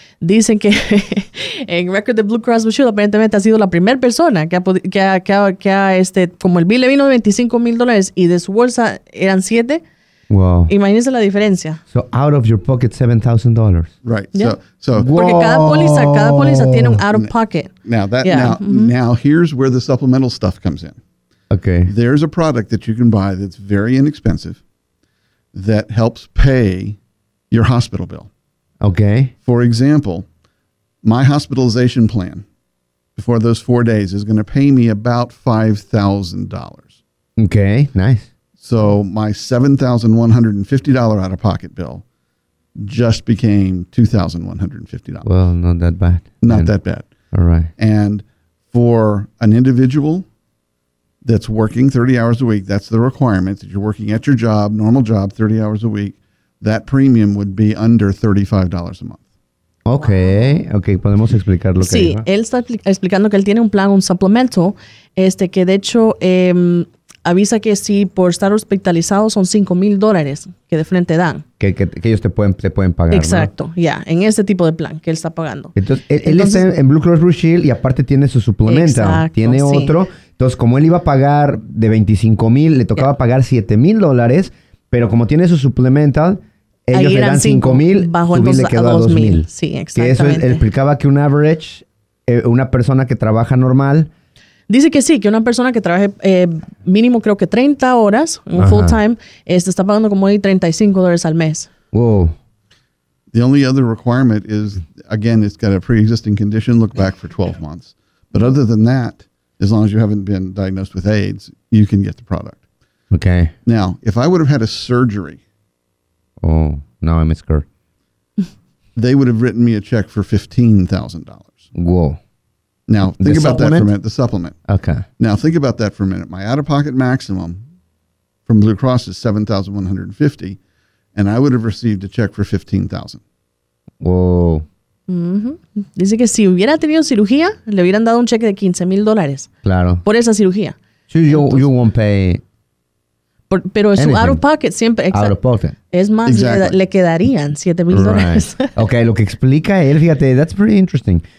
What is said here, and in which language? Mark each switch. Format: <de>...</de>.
<es>Dicen que en record de Blue Cross Blue Shield, aparentemente ha sido la primera persona que ha como el bill le vino de $25,000 y de su bolsa eran $7,000. Wow. Imagínese la diferencia.</es> <en>So out of your pocket $7,000. Right. Yeah. So</en> <es>porque cada póliza tiene un out of pocket.</es> <en>Now here's where the supplemental stuff comes in. Okay. There's a product that you can buy that's very inexpensive that helps pay your hospital bill. Okay. For example, my hospitalization plan before those 4 days is going to pay me about $5,000. Okay. Nice. So my $7,150 out-of-pocket bill just became $2,150. Well, not that bad. Not that bad. All right. And for an individual that's working 30 hours a week, that's the requirement, that you're working at your job, normal job, 30 hours a week, that premium would be under $35 a month.</en> <es>Okay, podemos explicar lo que sí, dijo. Él está explicando que él tiene un plan, un supplemento, que de hecho avisa que si por estar hospitalizado son $5,000 que de frente dan. Que ellos te pueden pagar. Exacto, ¿no? Ya, en ese tipo de plan que él está pagando. Entonces, él está en Blue Cross Blue Shield y aparte tiene su suplemento. Exacto, tiene sí. Otro. Entonces, como él iba a pagar de $25,000, le tocaba pagar $7,000, pero como tiene su suplemento, ellos ahí le dan $5,000, bajo el le quedó $2,000. Sí, exactamente. Que eso explicaba que un average, una persona que trabaja normal. Dice que sí, que una persona que trabaje mínimo creo que 30 horas, un full time, está pagando como ahí $35 al mes. Wow.</es> <en>The only other requirement is, again, it's got a pre-existing condition, look back for 12 months. But other than that, as long as you haven't been diagnosed with AIDS, you can get the product. Okay. Now, if I would have had a surgery. Oh, now I'm a skirt. They would have written me a check for $15,000. Whoa. Now, think the about supplement? That for a minute. The supplement. Okay. Now, think about that for a minute. My out-of-pocket maximum from Blue Cross is $7,150, and I would have received a check for $15,000. Whoa.</en> <es>Dice que si hubiera tenido cirugía, le hubieran dado un cheque de $15,000. Claro. Por esa cirugía.</es> <en>So you won't pay.</en> <es>Pero su out of pocket siempre. Out of pocket. Es más, le quedarían $7,000. Ok, lo que explica él, fíjate,</es> <en>that's pretty interesting.</en>